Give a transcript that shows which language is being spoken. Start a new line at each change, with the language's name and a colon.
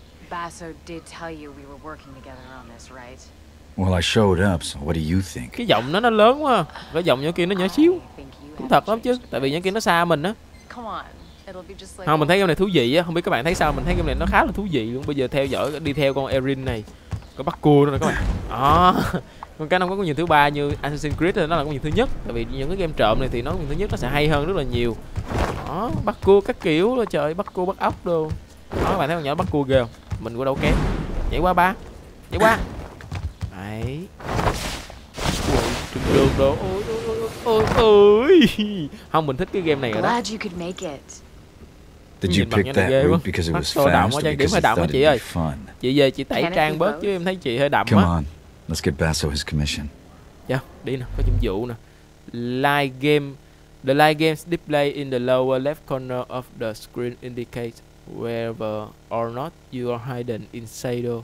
English: Basso did tell you we were working together on this, right? Well, I showed up, so what do you think?
Vietnamese: Cái giọng nó lớn quá. Cái giọng nhỏ kia nó nhỏ xíu. Cũng thật lắm chứ, tại vì nhỏ kia nó xa mình á. Không, mình thấy game này thú vị á. Không biết các bạn thấy sao, mình thấy game này nó khá là thú vị luôn. Bây giờ theo dõi, đi theo con Erin này. Có bắt cua nữa nè các bạn. À, con cá không có con nhìn thứ ba như Assassin's Creed thì nó là con nhìn thứ nhất. Tại vì những cái game trộm này thì nó con nhìn thứ nhất nó sẽ hay hơn rất là nhiều. Đó, bắt cua các kiểu đó, trời, bắt cua bắt ốc đồ. Đó, các bạn thấy con nhỏ bắt cua ghê không? Mình qua đâu kém. Nhảy qua ba. Nhảy qua. Đấy. Ôi, trừng đường đồ. Ôi. Không, mình thích cái game này rồi đó.
English: Did you pick that route because it was fast or because you thought it'd be fun?
Vietnamese: Chị về chị tẩy trang bớt chứ em thấy chị hơi đậm á.
English: Come on, let's get Basso his commission. Yeah,
Vietnamese: đi nè, có nhiệm vụ nè.
English: Live game, the live games display in the lower left corner of the screen indicates wherever or not you are hiding inside.